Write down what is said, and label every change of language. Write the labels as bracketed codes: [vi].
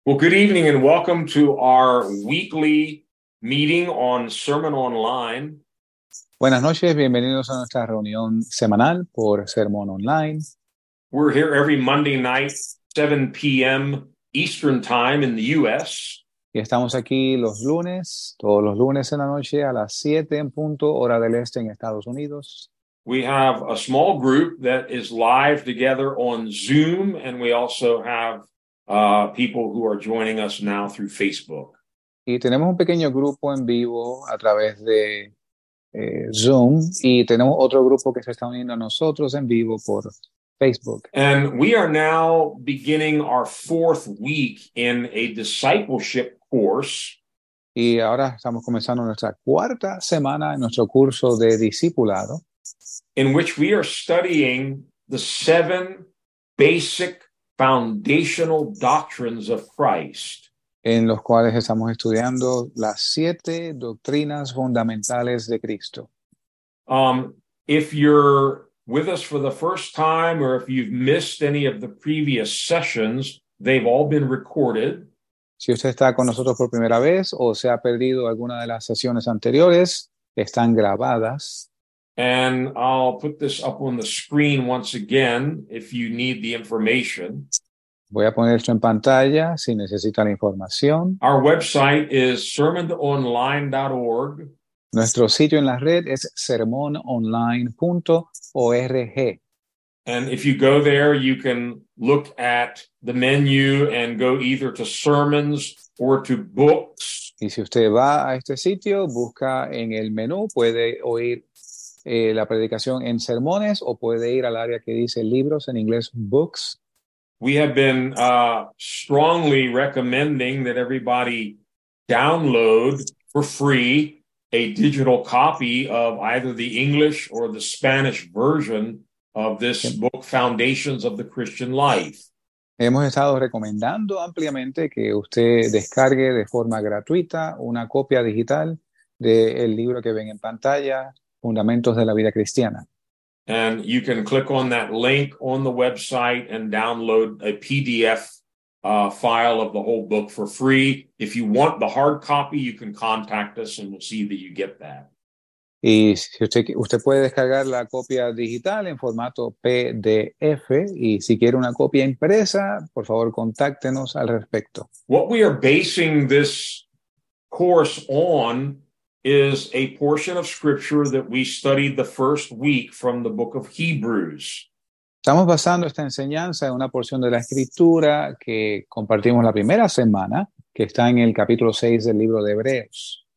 [en] Well, good evening and welcome to our weekly meeting on Sermon Online. [es] Buenas noches, bienvenidos a nuestra reunión semanal por Sermon Online. [en] We're here every Monday night, 7 p.m. Eastern Time in the U.S. [es] Y estamos aquí los lunes, todos los lunes en la noche a las 7 en punto, hora del este en Estados Unidos. [en] We have a small group that is live together on Zoom, and we also have people who are joining us now through Facebook. [es] Y tenemos un pequeño grupo en vivo a través de Zoom, y tenemos otro grupo que se está uniendo a nosotros en vivo por Facebook. [en] And we are now beginning our fourth week in a discipleship course. [es] Y ahora estamos comenzando nuestra cuarta semana en nuestro curso de discipulado, [en] in which we are studying the seven basic foundational doctrines of Christ. [es] En los cuales estamos estudiando las siete doctrinas fundamentales de Cristo. [en] If you're with us for the first time, or if you've missed any of the previous sessions, they've all been recorded. [es] Si usted está con nosotros por primera vez o se ha perdido alguna de las sesiones anteriores, están grabadas. [en] And I'll put this up on the screen once again if you need the information. [es] Voy a poner esto en pantalla si necesita la información. [en] Our website is sermononline.org. [es] Nuestro sitio en la red es sermononline.org. [en] And if you go there, you can look at the menu and go either to sermons or to books. [es] Y si usted va a este sitio, busca en el menú, puede oír la predicación en sermones o puede ir al área que dice libros, en inglés books. [en] We have been strongly recommending that everybody download for free a digital copy of either the English or the Spanish version of this book, Foundations of the Christian Life. [es] Hemos estado recomendando ampliamente que usted descargue de forma gratuita una copia digital del libro que ven en pantalla, Fundamentos de la Vida Cristiana. [en] And you can click on that link on the website and download a PDF file of the whole book for free. If you want the hard copy, you can contact us and we'll see that you get that. [es] Y si usted puede descargar la copia digital en formato PDF, y si quiere una copia impresa, por favor, contáctenos al respecto. [en] What we are basing this course on is a portion of scripture that we studied the first week from the book of Hebrews. [es] Estamos basando esta enseñanza en una porción de la escritura que compartimos la primera semana, que está en el capítulo 6 del libro de Hebreos.